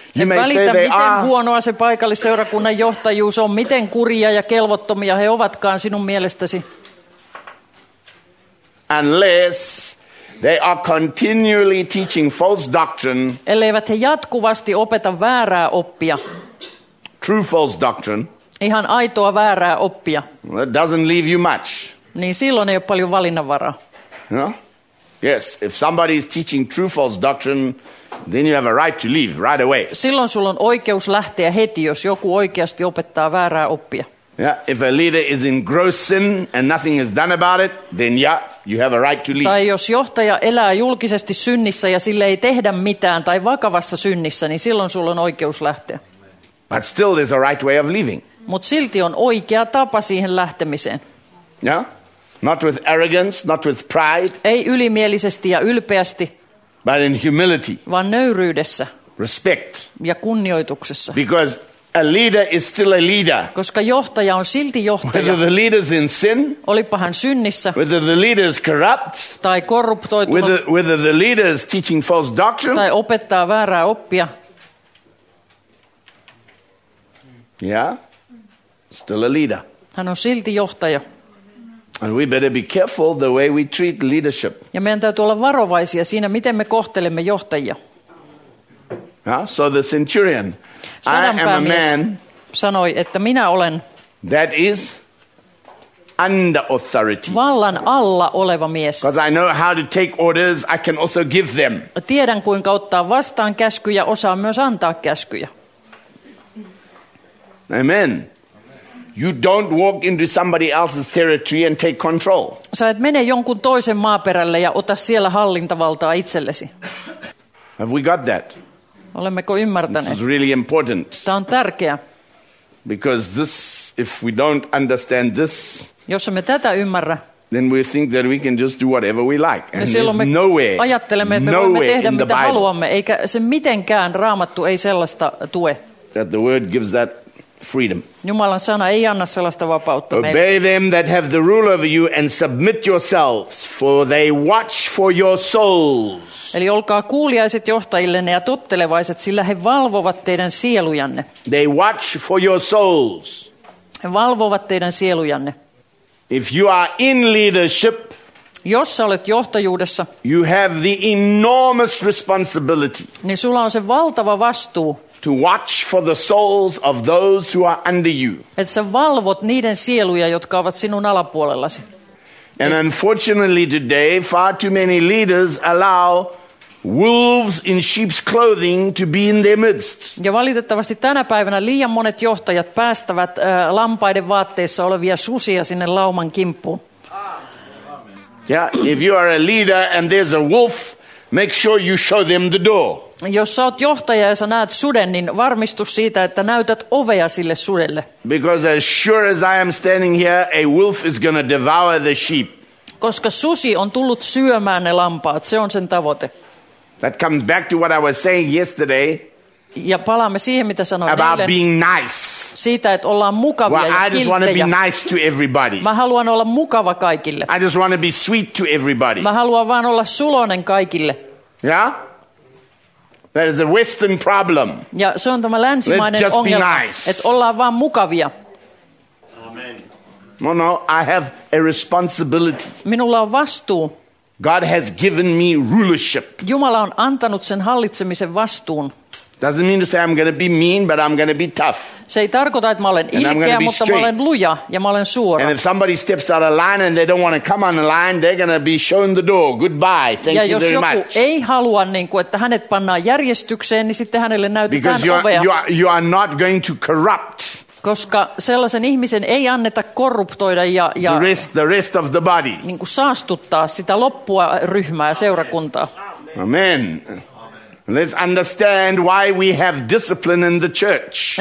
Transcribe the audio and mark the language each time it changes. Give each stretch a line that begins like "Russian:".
Finnish: En välitä, miten huonoa se paikallisseurakunnan johtajuus on, miten kurjia ja kelvottomia he ovatkaan sinun mielestäsi.
English: Unless they are continually teaching false doctrine.
Finnish: Elleivät he jatkuvasti opeta väärää oppia.
English: True false doctrine.
Finnish: Ihan aitoa väärää oppia.
English: Well, that doesn't leave you much.
Finnish: Niin silloin ei ole paljon valinnanvaraa.
English: No? Yes, if somebody is teaching true false doctrine, then you have a right to leave right away.
Finnish: Silloin sulla on oikeus lähteä heti, jos joku oikeasti opettaa väärää oppia.
English: Yeah, if a leader is in gross sin and nothing is done about it, then yeah, you have a right to leave.
Finnish: Tai jos johtaja elää julkisesti synnissä ja sille ei tehdä mitään tai vakavassa synnissä, niin silloin sulla on oikeus lähteä.
English: But still there's a right way of leaving.
Finnish: Mut silti on oikea tapa siihen lähtemiseen.
English: Yeah? Not with arrogance, not with pride.
Finnish: Ei ylimielisesti ja ylpeästi.
English: But in humility.
Finnish: Vaan nöyryydessä.
English: Respect.
Finnish: Ja kunnioituksessa.
English: Because a leader is still a leader.
Finnish: Koska johtaja on silti johtaja.
English: Whether the leader is in sin.
Finnish: Olipa hän synnissä.
English: Whether the leader is corrupt.
Finnish: Tai korruptoitunut.
English: Whether the leader is teaching false doctrine.
Finnish: Tai opettaa väärää oppia.
English: Yeah. Still a leader.
Finnish: Hän on silti johtaja.
English: And we better be careful the way we treat leadership.
Finnish: Ja meidän täytyy olla varovaisia siinä, miten me kohtelemme johtajia.
English: Yeah, so the centurion,
Finnish: sananpäämies,
English: I am a man,
Finnish: sanoi, että minä olen,
English: that is under authority.
Finnish: Vallan alla oleva mies.
English: Because I know how to take orders, I can also give them.
Finnish: Tiedän, kuinka ottaa vastaan käskyjä, osaan myös antaa käskyjä.
English: Amen. You don't walk into somebody else's territory and take control.
Finnish: Sä et mene jonkun toisen maaperälle ja ota siellä hallintavaltaa itsellesi.
English: Have we got that?
Finnish: Olemmeko ymmärtäneet?
English: This is really important.
Finnish: Tämä on tärkeä.
English: Because this, if we don't understand this,
Finnish: jos me tätä ymmärrä,
English: then we think that we can just do whatever we like. And there's nowhere,
Finnish: ajattelemme, että me voimme tehdä mitä haluamme, eikä se mitenkään Raamattu ei sellaista tue.
English: That the word gives that freedom.
Finnish: Jumalan sana ei anna sellaista vapautta meille.
English: Obey them that have the rule over you and submit yourselves, for they watch for your souls.
Finnish: Eli olkaa kuuliaiset johtajillenne ja tottelevaiset, sillä he valvovat teidän sielujanne.
English: They watch for your souls.
Finnish: He valvovat teidän sielujanne.
English: If you are in leadership,
Finnish: jos sä olet johtajuudessa,
English: you have the enormous responsibility.
Finnish: Niin sulla on se valtava vastuu.
English: To watch for the souls of those who are under you.
Finnish: Et sä valvot niiden sieluja, jotka ovat sinun alapuolellasi.
English: And unfortunately today, far too many leaders allow wolves in sheep's clothing to be in their midst.
Finnish: Ja valitettavasti tänä päivänä liian monet johtajat päästävät lampaiden vaatteissa olevia susia sinne lauman kimppuun.
English: Yeah, if you are a leader and there's a wolf, make sure you show them the door.
Finnish: Jos sä oot johtaja ja sä näet suden, niin varmistu siitä, että näytät ovea sille sudelle.
English: Because as sure as I am standing here, a wolf is going to devour the sheep.
Finnish: Koska susi on tullut syömään ne lampaat, se on sen tavoite.
English: That comes back to what I was saying yesterday.
Finnish: Ja palaamme siihen, mitä sanoin
English: about
Finnish: eilen.
English: Being nice.
Finnish: Siitä, että ollaan mukavia
English: well,
Finnish: ja kilttejä.
English: I just want to be nice to everybody.
Finnish: Mä haluan olla mukava kaikille.
English: I just want to be sweet to everybody.
Finnish: Mä haluan vaan olla suloinen kaikille.
English: Yeah? That is a Western problem.
Finnish: Ja se on tämä länsimainen ongelma,
English: nice.
Finnish: Että ollaan vaan mukavia.
English: No, no, I have a responsibility.
Finnish: Minulla on vastuu.
English: God has given me rulership.
Finnish: Jumala on antanut sen hallitsemisen vastuun.
English: Doesn't mean to say I'm going to be mean, but I'm going to be tough.
Finnish: Se ei tarkoita, että mä olen ilkeä, mutta mä olen luja ja mä olen suora.
English: And if somebody steps out of line and they don't want to come on the line, they're going to be shown the door. Goodbye. Thank you very much.
Finnish: Ja jos joku ei halua, niin kuin, että hänet pannaan järjestykseen, niin sitten hänelle näytetään ovea.
English: Because you are not going to corrupt.
Finnish: Koska sellaisen ihmisen ei anneta korruptoida ja
English: the rest of the body.
Finnish: Niin kuin saastuttaa sitä loppua ryhmää ja seurakuntaa.
English: Amen. Let's understand why we have discipline in the church.